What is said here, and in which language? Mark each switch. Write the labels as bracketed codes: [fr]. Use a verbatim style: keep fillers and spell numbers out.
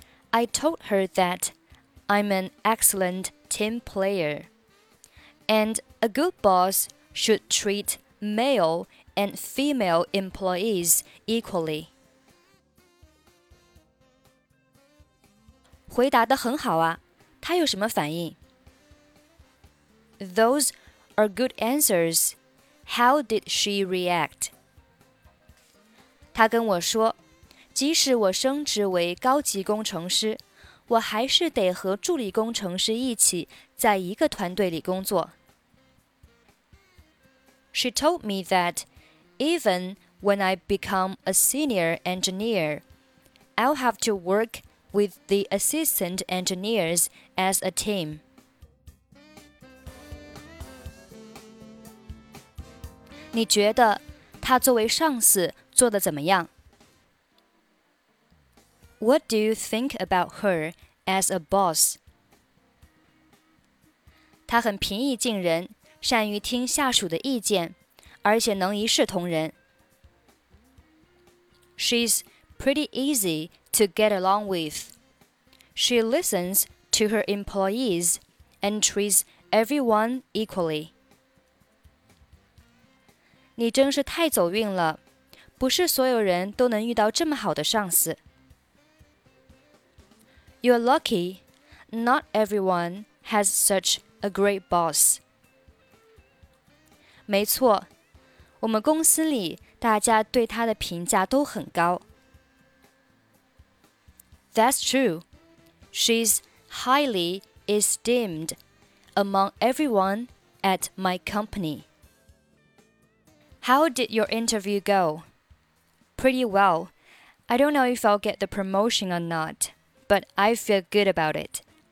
[en] I told her that I'm an excellent team player, and a good boss should treat male and female employees equally. [zh] 回答得很好啊，他有什么反应 [en] Those are good answers. How did she react? [zh] 他跟我说，即使我升职为高级工程师，我还是得和助理工程师一起在一个团队里工作。 [en] She told me that even when I become a senior engineer, I'll have to work. with the assistant engineers as a team. [zh] 你觉得他作为上司做得怎么样？ [en] What do you think about her as a boss? [zh] 他很平易近人，善于听下属的意见，而且能一视同仁。 [en] She's pretty easy to get along with. She listens to her employees and treats everyone equally. [zh] 你真是太走运了，不是所有人都能遇到这么好的上司。 [en] You're lucky. Not everyone has such a great boss. [zh] 没错，我们公司里大家对他的评价都很高。 [en] That's true. She's highly esteemed among everyone at my company. How did your interview go? Pretty well. I don't know if I'll get the promotion or not, but I feel good about it.